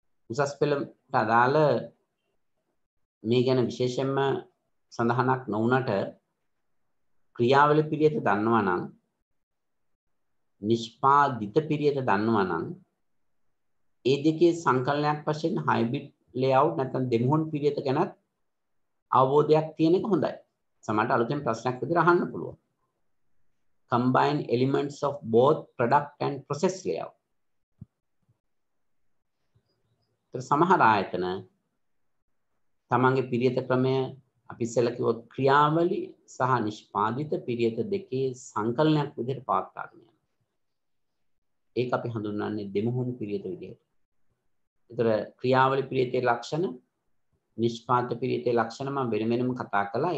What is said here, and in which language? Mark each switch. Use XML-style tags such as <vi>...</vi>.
<si>උසස් පෙළට අදාළ මේ ගැන විශේෂයෙන්ම සඳහනක් නොවුනට ක්‍රියාවලිය පිරියත දන්නවා නම් නිෂ්පාදිත පිරියත දන්නවා නම් ඒ දෙකේ සංකලනයක් වශයෙන් හයිබ්‍රිඩ් ලේඅවුට් නැත්නම් දෙමොහොන් පිරියත ගැනත් අවබෝධයක් තියෙන එක හොඳයි. සමහරට අලුතෙන් ප්‍රශ්නයක් විදිහට අහන්න පුළුවන්.</si> <en>Combine elements of both product and process layout.</en> <si>ඒත් සමහර ආයතන තමන්ගේ පිරියත ක්‍රමය අපි ඉස්සෙල්ලා කිව්ව ක්‍රියාවලිය සහ නිෂ්පාදිත පිරියත දෙකේ සංකලනයක් විදිහට පවත්වා ගන්නවා. ඒක අපි හඳුන්වන්නේ දෙමොහොන් පිරියත විදිහට. ඒතර ක්‍රියාවලිය පිරියතේ ලක්ෂණ නිෂ්පාදිත පිරියතේ ලක්ෂණ මම වෙන වෙනම කතා කළා.</si>